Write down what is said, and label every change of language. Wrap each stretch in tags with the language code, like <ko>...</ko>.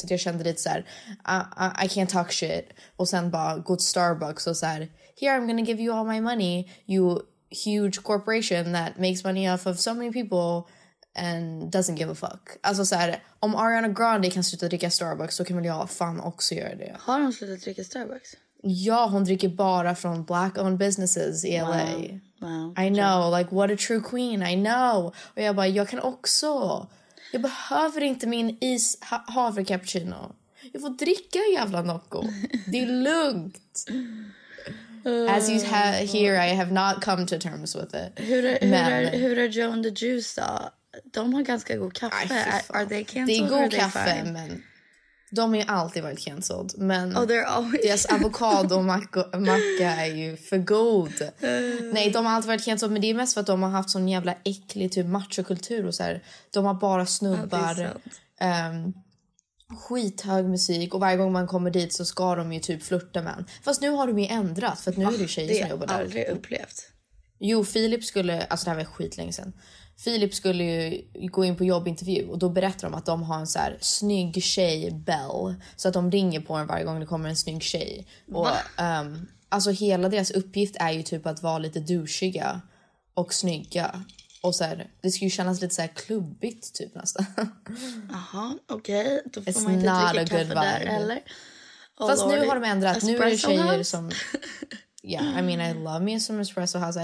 <sv>Så jag kände lite så här,</sv> <en>I can't talk shit</en> <sv>och sen bara gå till Starbucks och så här,</sv> <en>here I'm gonna give you all my money, you huge corporation that makes money off of so many people and doesn't give a fuck.</en> <sv>Alltså så här, om Ariana Grande kan sluta dricka Starbucks så kan väl jag fan också göra det. Har hon slutat dricka Starbucks? Ja, hon dricker bara från</sv> <en>black owned businesses</en> <sv>i LA. Wow.</sv> <en>I know, like what a true queen, I know.</en> <sv>Och jag bara, jag kan också. Jag behöver inte min is havre cappuccino. Jag får dricka jävla Nocco. Det är lugnt.</sv> <en>As you hear, I have not come to terms with it.</en> <sv>Hur är Joe and the Juice då? De har ganska god kaffe.</sv> <en>Are they canceled?</en> <sv>Det är god kaffe, men de är alltid varit canceled. Men</sv> <en>oh, they're always...</en> <sv>deras avokado och macka är ju för god. Nej, de har alltid varit canceled, men det är mest för att de har haft sån jävla äcklig typ machokultur och så här. De har bara snubbar, skithög musik, och varje gång man kommer dit så ska de ju typ flirta med en. Fast nu har de ju ändrat, för att nu är det tjejer som jobbar där. Det har jag aldrig upplevt. Jo, Filip skulle, alltså det här var skitlänge sedan, Filip skulle ju gå in på jobbintervju och då berättar de att de har en så här snygg tjej, Bell, så att de ringer på en varje gång det kommer en snygg tjej. Och alltså hela deras uppgift är ju typ att vara lite douchiga och snygga. Och så här, det ska ju kännas lite så här klubbigt typ nästan. Aha, okej.</sv> <en>Okay.</en> <sv>Då får man inte dricka kaffe där, eller? Oh, fast Lord, nu har de ändrat. Espresso, nu är det tjejer house? Som...</sv> <en>Yeah, I mean, I love me some espresso house.</en>